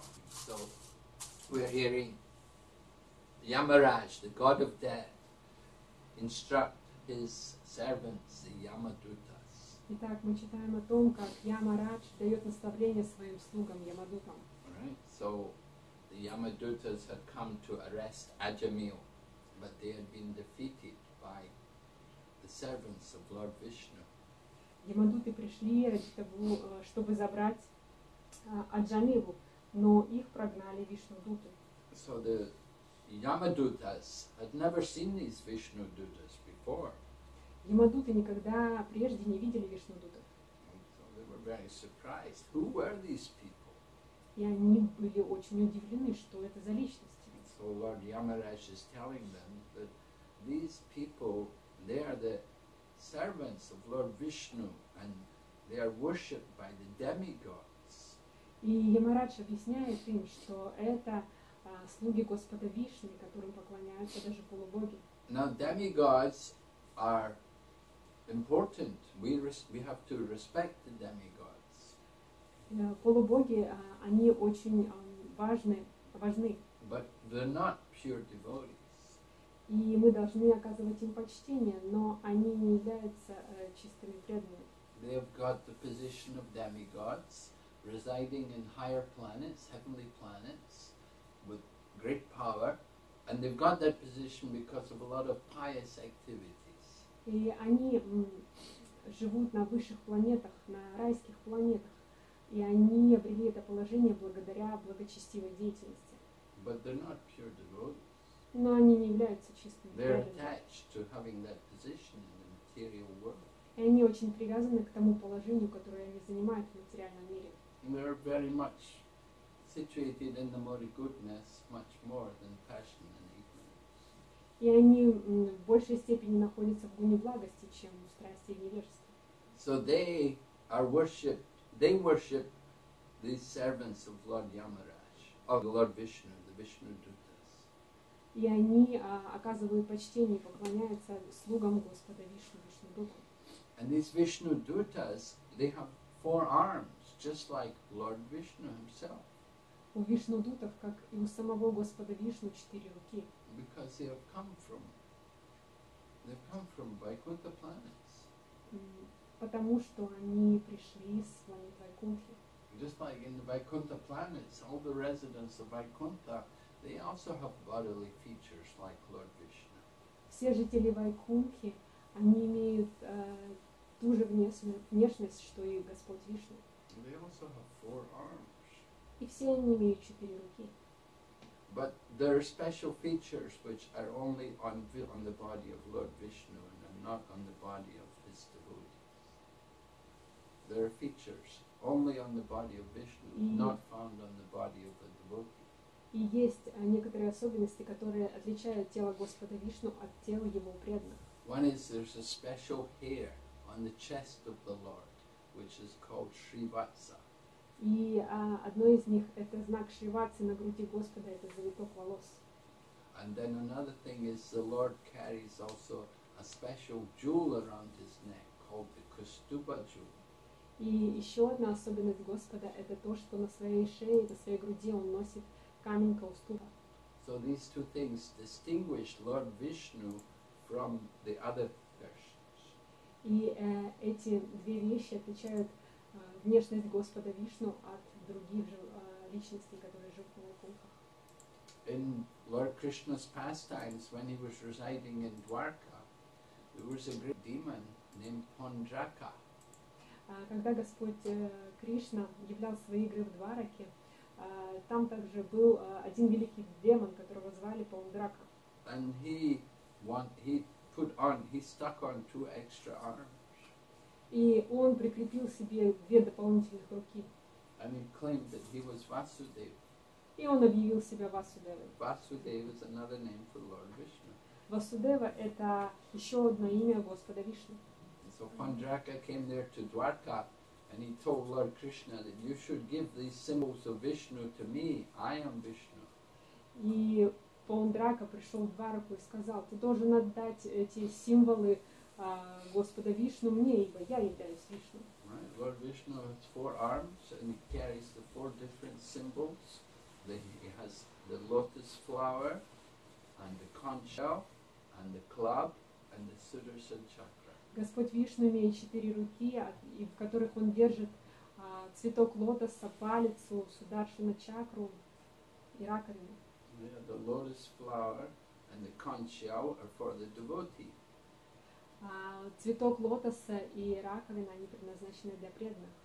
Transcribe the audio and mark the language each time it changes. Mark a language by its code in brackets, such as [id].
[en] So we're hearing Yamaraj, the god of death, instruct his servants, the Yamadutas. [ru] Итак, мы читаем о том, как Ямарадж дает наставление своим слугам Ямадутам. [en] Right. So the Yamadutas had come to arrest Ajamil, but they had been defeated by the servants of Lord Vishnu. [ru] Ямадуты пришли ради того, чтобы забрать Аджамилу, но их прогнали Вишнудуты. [en] So the Yamadutas had never seen these Vishnu Dutas before. [ru] Ямадуты никогда прежде не видели Вишну Дутов. [en] So they were very surprised. Who were these people? [ru] И они были очень удивлены, что это за личности. [en] So Lord Yamaraj is telling them that these people, they are the servants of Lord Vishnu, and they are worshipped by the demigods. [ru] И Ямарадж объясняет им, что это слуги Господа Вишны, которым поклоняются даже полубоги. [en] Now demigods are important. We have to respect the demigods. [ru] Полубоги, они очень важны. [en] But they're not pure devotees. [ru] И мы должны оказывать им почтение, но они не являются чистыми преданными. [en] They have got the position of demigods, residing in higher planets, heavenly planets, with great power, and they've got that position because of a lot of pious activities. [ru] И они живут на высших планетах, на райских планетах, и они обрели это положение благодаря благочестивой деятельности. [en] But they're not pure devotees. [ru] Но они не являются чистыми преданными. [en] They're attached to having that position in the material world. [ru] И они очень привязаны к тому положению, которое они занимают в материальном мире. [en] They're very much situated in the more goodness much more than passion and ignorance. [ru] И они в большей степени находятся в гуне благости, чем в страсти и невежестве. [en] So they are worshipped, they worship the servants of Lord Yamaraj, of Lord Vishnu, the Vishnu Dutas. [ru] И они оказывают почтение и поклоняются слугам Господа Вишну, Вишну Дуту. [en] And these Vishnu Dutas, they have four arms, just like Lord Vishnu himself. [ru] У Вишнудутов, как и у самого Господа Вишну, четыре руки. [en] Because they have come from, they've come from Vaikuntha planets. [ru] Потому что они пришли с планеты Вайкунтхи. [en] Just like in the Vaikuntha planets, all the residents of Vaikuntha, they also have bodily features like Lord Vishnu. [ru] Все жители Вайкунтхи, они имеют ту же внешность, что и Господь Вишну. [en] They also have four arms. [ru] И все они имеют четыре руки. [en] But there are special features which are only on the body of Lord Vishnu and not on the body of his devotees. There are features only on the body of Vishnu, not found on the body of the devotee. [ru] И есть некоторые особенности, которые отличают тело Господа Вишну от тела его преданных. [en] One is there's a special hair on the chest of the Lord, which is called Shri Vatsa. [ru] И одно из них – это знак Шри Ватсы на груди Господа, это завиток волос. [en] And then another thing is the Lord carries also a special jewel around his neck called the Kastuba jewel. [ru] И еще одна особенность Господа – это то, что на своей шее, на своей груди он носит камень Каустуба. [en] So these two things distinguish Lord Vishnu from the other persons. [ru] И эти две вещи отличают внешность Господа Вишну от других личностей, которые живут в Голгофе. [en] In Lord Krishna's pastimes, when he was residing in Dwarka, there was a great demon named Pondraka. [ru] Когда Господь Кришна являл свои игры в Двараке, там также был один великий демон, которого звали Пондрака. [en] And he stuck on two extra arms. [ru] И он прикрепил себе две дополнительных руки. [en] And he claimed that he was Vasudev. [ru] И он объявил себя Васудевой. [en] Vasudev is another name for Lord Vishnu. [ru] Васудева — это еще одно имя Господа Вишну. [en] So Pondraka came there to Dwarka, and he told Lord Krishna that you should give these symbols of Vishnu to me. I am Vishnu. [ru] И Пондрака пришел в Двараку и сказал: ты должен отдать эти символы Господа Вишну мне, ибо я являюсь Вишну. [en] Right. Lord Vishnu has four arms, and he carries the four different symbols. He has the lotus flower, and the conch shell, and the club, and the Sudarshan chakra. [ru] Господь Вишну имеет четыре руки, в которых он держит цветок лотоса, палицу, сударшина чакру и раковину. [en] Yeah, the lotus flower and the conch shell are for the devotee. [ru] Цветок лотоса и раковина, они предназначены для преданных.